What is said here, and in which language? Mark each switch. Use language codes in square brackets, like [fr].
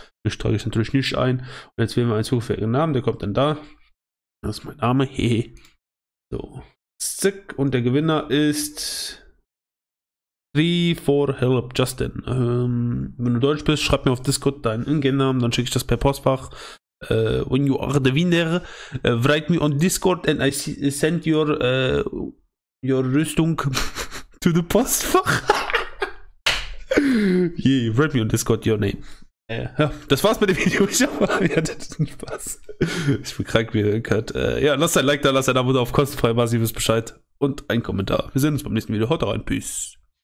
[de] Ich trage ich natürlich nicht ein. Und jetzt wählen wir einen zufälligen Namen, der kommt dann da. Das ist mein Name, hehe. So, zick. Und der Gewinner ist 3-4 Help Justin. Wenn du Deutsch bist, schreib mir auf Discord deinen Ingame-Namen, dann schicke ich das per Postfach. [en] When you are the winner, write me on Discord and I send your Rüstung to the Postfach. Yeah, write me on Discord your name. [de] Ja, das war's mit dem Video. Ich hoffe, ihr hattet Spaß. Ich bin krank, wie ihr gehört. Ja, lasst ein Like da, lasst ein Abo da auf kostenfreie Basis, ihr wisst Bescheid. Und ein Kommentar. Wir sehen uns beim nächsten Video. Haut rein, peace.